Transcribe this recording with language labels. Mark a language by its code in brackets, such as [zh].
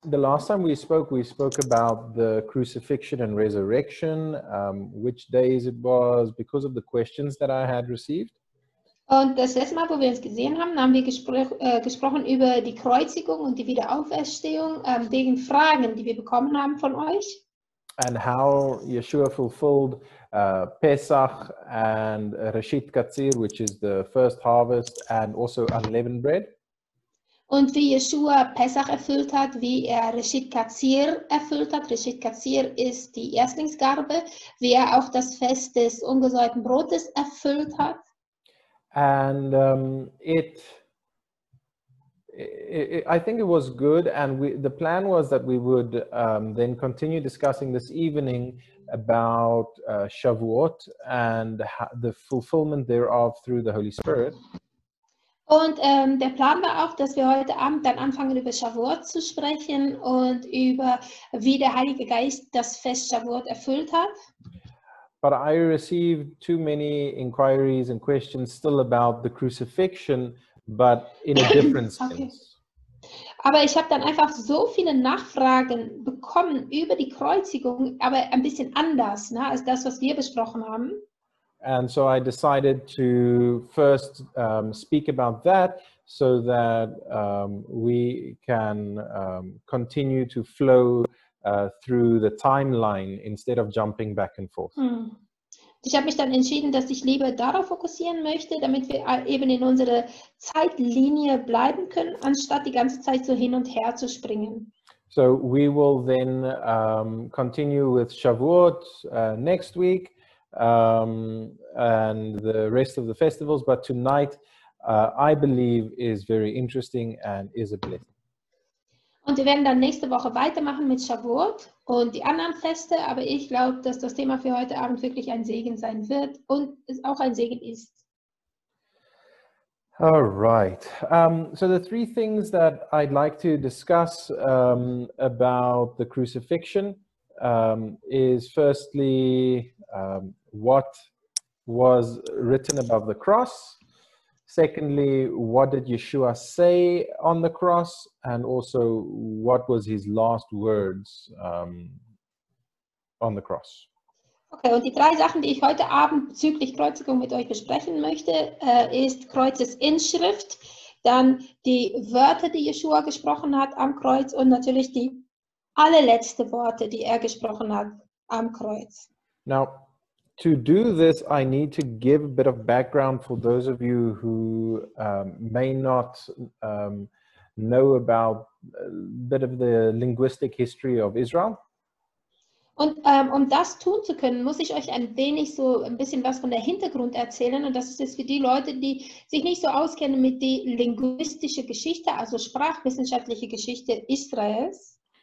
[en] The last time we spoke about the crucifixion and resurrection, which days it was, because of the questions that I had received. [de] Und das letzte Mal, wo wir uns gesehen haben, haben wir gesprochen über die Kreuzigung und die Wiederauferstehung, wegen Fragen, die wir bekommen haben von euch. [en] And how Yeshua fulfilled Pesach and Reshit Katzir, which is the first harvest, and also unleavened bread. [de] Und wie Yeshua Pesach erfüllt hat, wie er Reshit Katzir erfüllt hat. Reshit Katzir ist die Erstlingsgabe, wie er auch das Fest des ungesäuerten Brotes erfüllt hat. [en] And I think it was good, and the plan was that we would then continue discussing this evening about Shavuot and the fulfillment thereof through the Holy Spirit. [de] Und der Plan war auch, dass wir heute Abend dann anfangen, über Shavuot zu sprechen und über wie der Heilige Geist das Fest Shavuot erfüllt hat. [en] But I received too many inquiries and questions still about the crucifixion, but in a different sense. Okay. [de] Aber ich habe dann einfach so viele Nachfragen bekommen über die Kreuzigung, aber ein bisschen anders, ne, als das, was wir besprochen haben. [en] And so I decided to first speak about that, so that we can continue to flow through the timeline instead of jumping back and forth. [de] Ich habe mich dann entschieden, dass ich lieber darauf fokussieren möchte, damit wir eben in unsere Zeitlinie bleiben können, anstatt die ganze Zeit so hin und her zu springen. [en] So we will then continue with Shavuot next week and the rest of the festivals, but tonight I believe is very interesting and is a blessing. [de] Und wir werden dann nächste Woche weitermachen mit Shavuot und die anderen Feste. Aber ich glaube, dass das Thema für heute Abend wirklich ein Segen sein wird und es auch ein Segen ist. [en] All right. So the three things that I'd like to discuss about the crucifixion is firstly, what was written above the cross. Secondly, what did Yeshua say on the cross? And also, what was his last words on the cross? [de] Okay, und die drei Sachen, die ich heute Abend bezüglich Kreuzigung mit euch besprechen möchte, ist Kreuzesinschrift, dann die Wörter, die Yeshua gesprochen hat am Kreuz und natürlich die allerletzte Worte, die er gesprochen hat am Kreuz. [en] Now, to do this, I need to give a bit of background for those of you who may not know about a bit of the linguistic history of Israel. [de] Und um das tun zu können, muss ich euch ein wenig so ein bisschen was von der Hintergrund erzählen. Und das ist es für die Leute, die sich nicht so auskennen mit der linguistischen Geschichte, also sprachwissenschaftliche Geschichte Israels.